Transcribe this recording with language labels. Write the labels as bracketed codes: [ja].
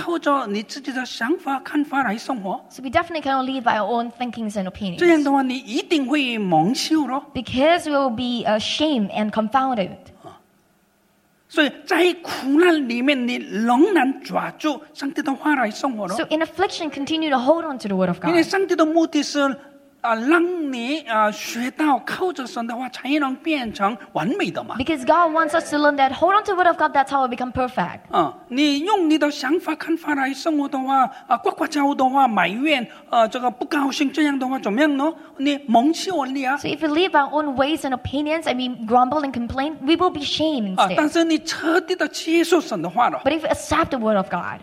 [zh] 我这样行不是为你们以色列家，当为自己的行为，包括蒙羞。哦，真的不要靠着你自己的想法看法来生活。 [en] So we definitely cannot live by our own thinkings and opinions. [zh] 这样的话，你一定会蒙羞咯。 [en] Because we will be ashamed and confounded. [zh] 所以在苦难里面，你仍然抓住上帝的话来生活了。 [en] So in affliction, continue to hold on to the word of God. [zh] 因为上帝的目的是 让你学到靠着神的话才能变成完美的嘛。 [en] Because God wants us to learn that hold on to the word of God, that's how we become perfect. [zh] 你用你的想法看法来生活的话，呱呱叫的话，埋怨，这个不高兴这样的话怎么样呢？你蒙羞了呀。 [en] So if we live our own ways and opinions, I mean grumble and complain, we will be shamed instead. [zh] 但是你彻底的接受神的话了。 [en] But if you accept the word of God,